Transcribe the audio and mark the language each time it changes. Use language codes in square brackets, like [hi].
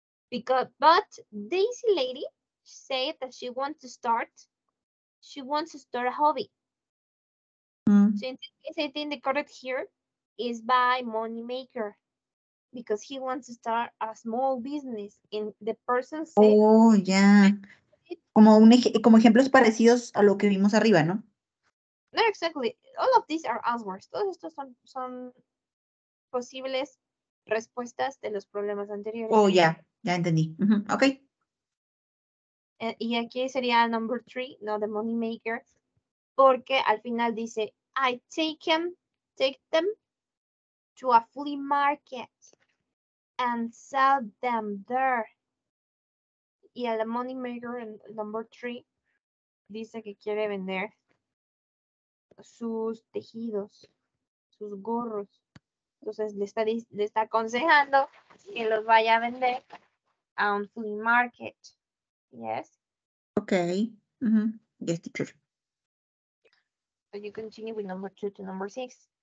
[en] But Daisy Lady said that she wants to start a hobby. So in this case, I think the correct here is by money maker, because he wants to start a small business. In the person said, [es] oh yeah, como ejemplos parecidos a lo que vimos arriba, ¿no? [en] No, exactly. All of these are answers. [es] Todos estos son posibles respuestas de los problemas anteriores. Oh yeah, ya entendí. Mm-hmm. Okay. Y aquí sería [en] number three, no the money maker, [es] porque al final dice, [en] I take them to a flea market and sell them there. [es] Y el money maker number three dice que quiere vender sus tejidos, sus gorros. Entonces le está aconsejando que los vaya a vender a un flea market. [en] Yes. Okay. Mm-hmm. Yes, teacher. So you continue with number two to number six.